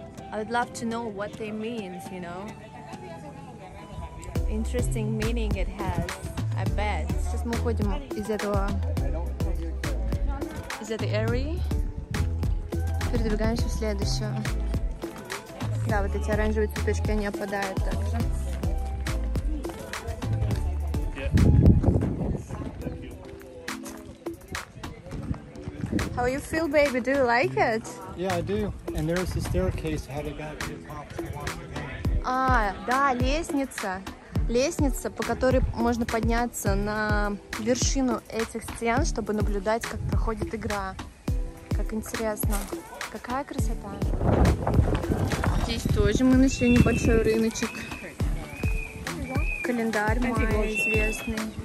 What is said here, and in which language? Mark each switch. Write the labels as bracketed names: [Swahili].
[English] I'd love to know what they mean, you know? Interesting meaning it has, I bet. [Russian] Сейчас мы уходим из этой area. Передвигаемся в следующую. Да, вот эти оранжевые цветочки, они опадают также. [English] How you feel, baby? Do you like it? Yeah, I do. And there is a staircase to have it back to the top. [Russian] А, да, лестница. Лестница, по которой можно подняться на вершину этих стен, чтобы наблюдать, как проходит игра. Как Так интересно, какая красота. Здесь тоже мы нашли небольшой рыночек. Календарь майя известный.